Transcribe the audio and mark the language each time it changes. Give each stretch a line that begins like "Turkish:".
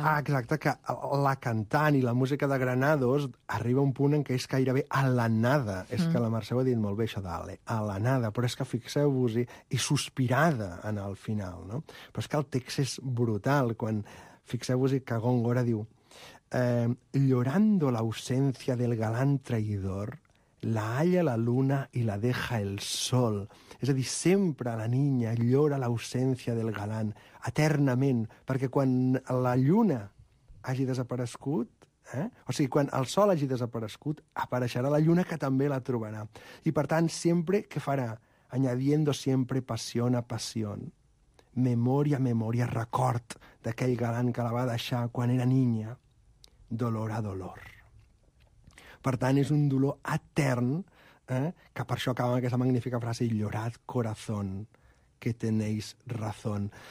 Catalan: Exacte, que la cantant i la música de Granados arriba a un punt en què és gairebé a la nada. És que la Mercè ho ha dit molt bé, això d'alè, a la nada. Però és que fixeu-vos-hi, i sospirada en el final, no? Però és que el text és brutal, quan fixeu-vos-hi que Góngora diu...
Spanish: Llorando la ausencia del galán traidor, la halla la luna y la deja el sol...
Catalan: És a dir, sempre la niña llora l'ausència del galant, eternament, perquè quan la lluna hagi desaparegut, eh? O sigui, quan el sol hagi desaparegut, apareixerà la lluna que també la trobarà. I, per tant, sempre, què farà?
Spanish: Añadiendo siempre pasión a pasión.
Catalan: Memoria, memoria, record d'aquell galant que la va deixar quan era niña. Dolor a dolor. Per tant, és un dolor etern, que per això acaba aquesta magnífica frase,
Spanish: llorad corazón, que tenéis razón.